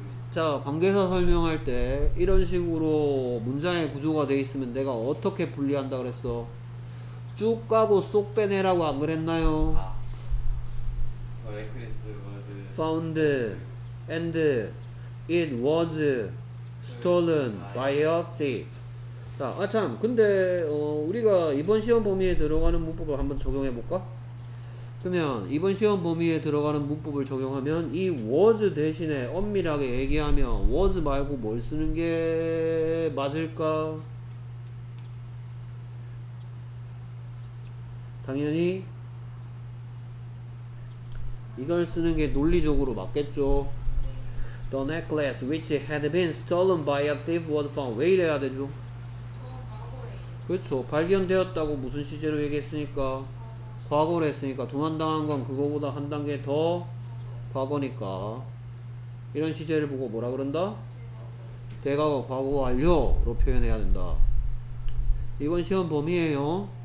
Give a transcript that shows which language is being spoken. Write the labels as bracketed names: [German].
[Korean] 자, 관계사 설명할 때 이런 식으로 문장의 구조가 돼 있으면 내가 어떻게 분리한다 그랬어? 쭉 가고 쏙 빼내라고 안 그랬나요? 아, 네, 크리스 워드 [English] found and it was stolen by a thief. [Korean] 자, 아 참, 근데 우리가 이번 시험 범위에 들어가는 문법을 한번 적용해 볼까? 그러면 이번 시험 범위에 들어가는 문법을 적용하면 이 was 대신에 엄밀하게 얘기하면 was 말고 뭘 쓰는 게 맞을까? 당연히 이걸 쓰는 게 논리적으로 맞겠죠. [English] The necklace which had been stolen by a thief was found. [Korean] 왜 이래야 되죠? 그렇죠. 발견되었다고 무슨 시제로 얘기했으니까 과거로 했으니까 도망당한 건 그거보다 한 단계 더 과거니까 이런 시제를 보고 뭐라 그런다? 대과거, 과거, 완료로 표현해야 된다. 이번 시험 범위에요.